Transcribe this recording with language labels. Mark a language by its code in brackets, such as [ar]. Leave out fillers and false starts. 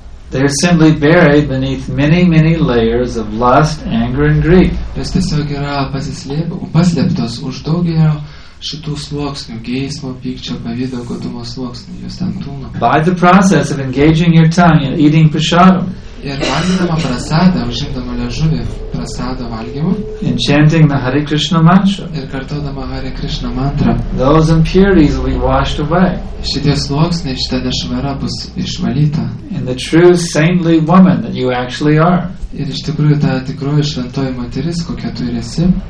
[en] They are simply buried beneath many, many layers of lust, anger, and greed. [lt] Jos tiesiog yra paslėptos už daugelio šitų sluoksnių, geismo, pykčio, pavydo, godumo sluoksnių, jos ten tūno. [en] By the process of engaging your tongue and eating prasadam. [lt] Ir valgydama prasadą, užimdama liežuvį prasado valgymu. [en] Enchanting the Hare Krishna mantra. [lt] Ir kartodama Hare Krishna mantra. [en] Those impurities will be washed away. [lt] Šitie sluoksniai, šita nešvara bus išvalyta. [en] And the true saintly woman that you actually are. [lt] Ir iš tikrųjų ta tikroji šventoji moteris, kokia tu ir esi.